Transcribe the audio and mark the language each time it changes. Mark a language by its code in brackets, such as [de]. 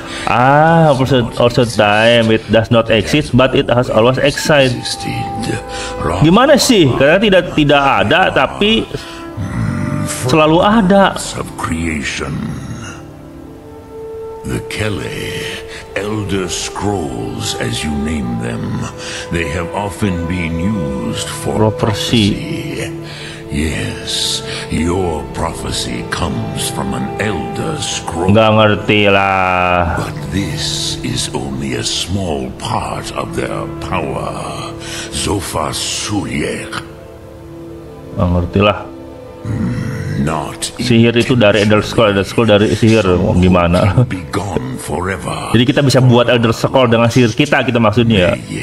[en] Ah, outside time, it does not exist, but it has always existed. [id] Gimana sih? Karena tidak ada, tapi selalu ada. [en] Of creation, the Kele. Elder Scrolls, as you name them, they have often been used for prophecy. Yes, your prophecy comes from an Elder Scroll. [id] Nggak ngerti lah. [en] But this is only a small part of their power, Zophar Suryek. [id] Nggak ngerti lah. Sihir itu dari Elder Scroll dari sihir, gimana? [en] Forever. [id] Jadi kita bisa buat Elder Scroll dengan sihir kita, kita maksudnya.